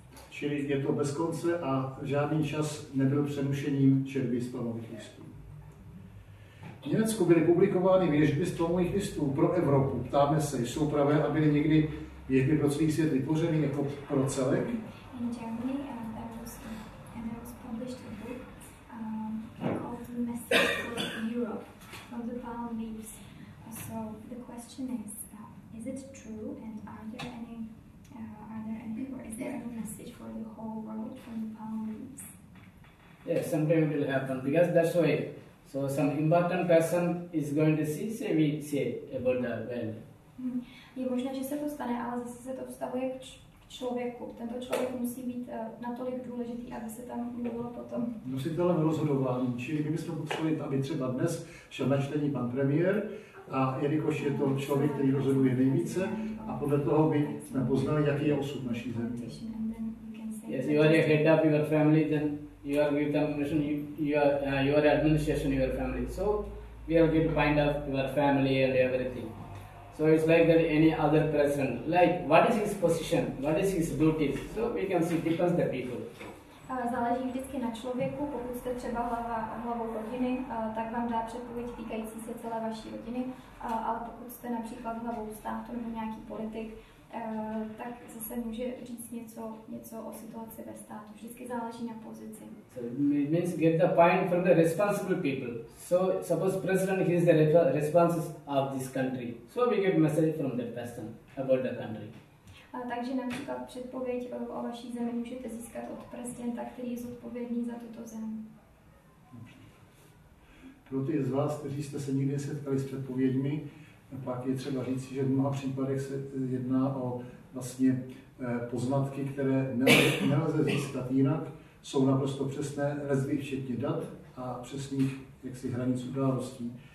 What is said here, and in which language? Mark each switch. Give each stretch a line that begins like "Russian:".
Czech: Čili je to bez konce a žádný čas nebyl přenušením čerby z palmových listů. V Německu byly publikovány věžby z palmových listů pro Evropu. Ptáme se, jsou pravé a byly někdy věžby pro celý svět vytvořeny jako pro celek?
English: In Germany, there was published a book called The Message for Europe from the Palm Leaves. So the question is it true and is there any message for the whole world from the palm leaves? Yes, sometime it will happen because that's why. So some important person is going to see, say we say about the well.
Czech: Je možné, že se to stane, ale zase se to vztahuje k člověku. Tento člověk musí být natolik důležitý, aby se tam mluvilo potom. Nositelem rozhodování, čili my bychom potřebovali, aby třeba dnes šel na čtení pan premiér, a jelikož je to člověk, který rozhoduje nejvíce, a podle toho by jsme poznali, jaký je osud naší země.
English: Yes, you are the head of your family, then you are with the administration, you are administration your family. So we are going to find out your family and everything. So it's like that any other person, like what is his position, what is his duties, so we can see depends the people.
Czech: Záleží vždycky na člověku, pokud jste třeba hlavou rodiny, tak vám dá předpověď týkající se celé vaší rodiny, ale pokud jste například hlavou státu nebo nějaký politik, tak zase může říct něco o situaci ve státu. Vždycky záleží na pozici.
English: So it means get the point from the responsible people. So suppose president is the responsible of this country. So we get message from the person about the country.
Czech: Takže například předpověď o vaší zemi můžete získat od prezidenta, který je zodpovědný za tuto zemi. Pro ty z vás, kteří jste se nikdy setkali s předpověďmi, pak je třeba říct, že v mnoha případech se jedná o vlastně poznatky, které nelze získat jinak, jsou naprosto přesné, rezvy včetně dat a přesných jaksi hranic událostí.